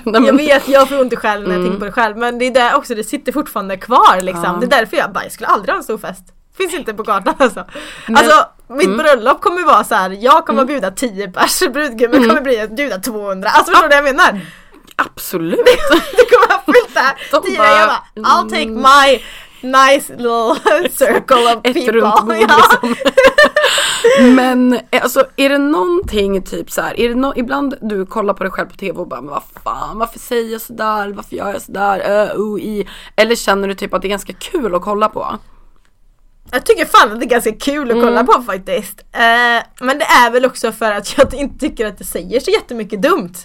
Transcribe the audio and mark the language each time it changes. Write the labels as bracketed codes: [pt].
[sv] Jag vet, jag får ont i själv när jag tänker på det själv. Men det är där också, det sitter fortfarande kvar liksom. Ja. Det är därför jag bara, jag skulle aldrig ha en stor fest. Finns inte på kartan alltså. Alltså, mitt bröllop kommer vara så här. Jag kommer att bjuda 10 pers, brudgummen kommer bli att bjuda 200. Alltså, förstår du vad jag menar? Absolut. Det kommer att fyllt det här. [en] I'll take my nice little circle of [sv] ett [en] people. [sv] Runt bord, liksom. Men alltså, är det någonting typ så här, är det ibland du kollar på dig själv på tv och bara, men vad fan, varför säger jag så där? Varför gör jag så där? Eller känner du typ att det är ganska kul att kolla på? Jag tycker fan att det är ganska kul att kolla på faktiskt. Men det är väl också för att jag inte tycker att det säger så jättemycket dumt.